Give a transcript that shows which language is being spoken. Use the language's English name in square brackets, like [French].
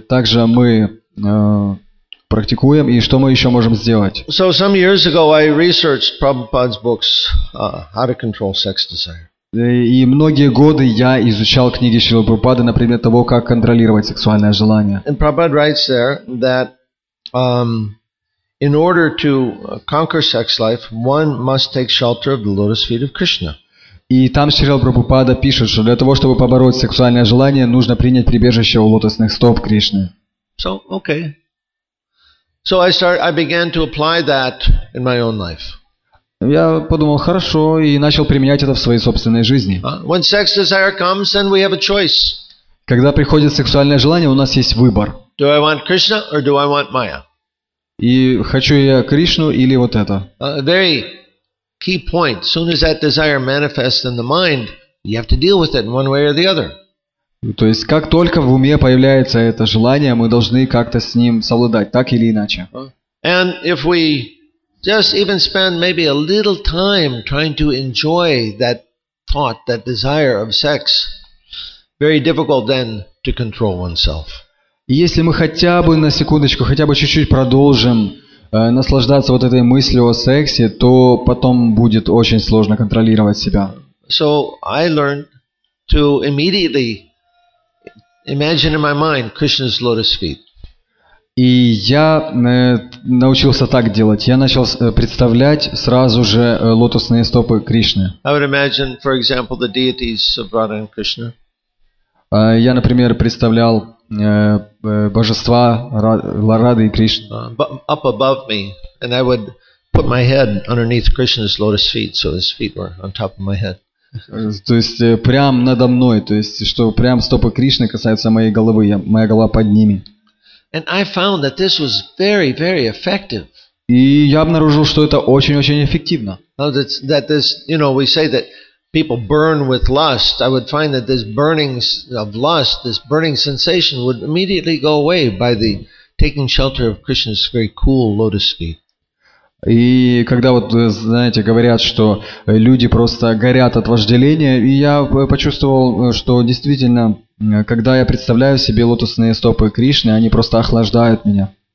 [Russian] Также мы практикуем, и что мы еще можем сделать? [English] So some years ago I researched Prabhupada's books How to Control Sex Desire. [Russian] И многие годы я изучал книги Шрилы Прабхупады на предмет того, как контролировать сексуальное желание. [English] And Prabhupada writes there that in order to conquer sex life, one must take shelter of the lotus feet of Krishna. [Russian] И там Шрила Прабхупада пишет, что для того, чтобы побороть сексуальное желание, нужно принять прибежище у лотосных стоп Кришны. [English] So, okay. So I began to apply that in my own life. [Russian] Я подумал, хорошо, и начал применять это в своей собственной жизни. [English] When sex desire comes, then we have a choice. [Russian] Когда приходит сексуальное желание, у нас есть выбор. [English] Do I want Krishna or do I want Maya? [Russian] И хочу я Кришну или вот это. [English] Very key point. Soon as that desire manifests in the mind, you have to deal with it in one way or the other. [Russian] То есть, как только в уме появляется это желание, мы должны как-то с ним совладать, так или иначе. [English] And if we just even spend maybe a little time trying to enjoy that thought, that desire of sex, very difficult then to control oneself. [Russian] Если мы хотя бы на секундочку, хотя бы чуть-чуть продолжим наслаждаться вот этой мыслью о сексе, то потом будет очень сложно контролировать себя. [English] So I learned to immediately imagine in my mind Krishna's lotus feet. [Russian] И я научился так делать. Я начал представлять сразу же лотосные стопы Кришны. [English] I would imagine, for example, the deities of Radha and Krishna. [Russian] Я, например, представлял божества Рады и Кришны. [English] Up above me, and I would put my head underneath Krishna's lotus feet, so his feet were on top of my head. [Russian] То есть прям надо мной, то есть что прям стопы Кришны касаются моей головы, моя голова под ними. [English] And I found that this was very, very effective. [Russian] И я обнаружил, что это очень-очень эффективно. [English] That this, you know, we say that people burn with lust. I would find that this burning of lust, this burning sensation would immediately go away by the taking shelter of Krishna's very cool lotus feet. [Russian] И когда вот, знаете, говорят, что люди просто горят от вожделения, и я почувствовал, что действительно, когда я представляю себе лотосные стопы Кришны, они просто охлаждают меня.